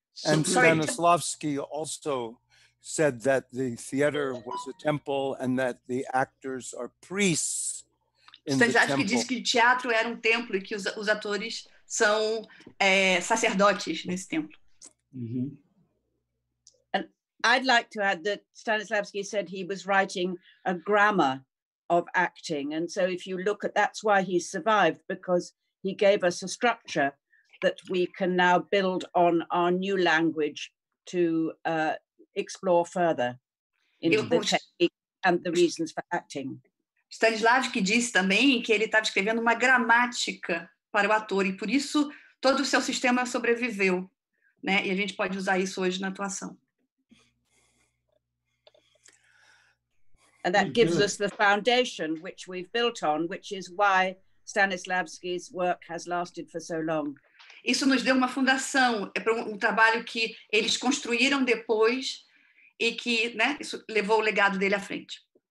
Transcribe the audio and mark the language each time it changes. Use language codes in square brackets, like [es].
[en] And Stanislavski also said that the theater was a temple and that the actors are priests in the temple. [pt] Você acha que diz que teatro era um templo e que os atores são sacerdotes nesse templo? [en] And I'd like to add that Stanislavski said he was writing a grammar of acting, and so if you look at, that's why he survived, because he gave us a structure that we can now build on our new language to explore further in the technique and the reasons for acting. [pt] Stanislavski disse também que ele estava escrevendo uma gramática para o ator, e por isso todo o seu sistema sobreviveu, né? E a gente pode usar isso hoje na atuação. [en] And that gives us the foundation which we've built on, which is why Stanislavski's work has lasted for so long. [pt] Isso nos deu uma fundação, é para um trabalho que eles construíram depois, e que, né, isso levou o legado dele à frente.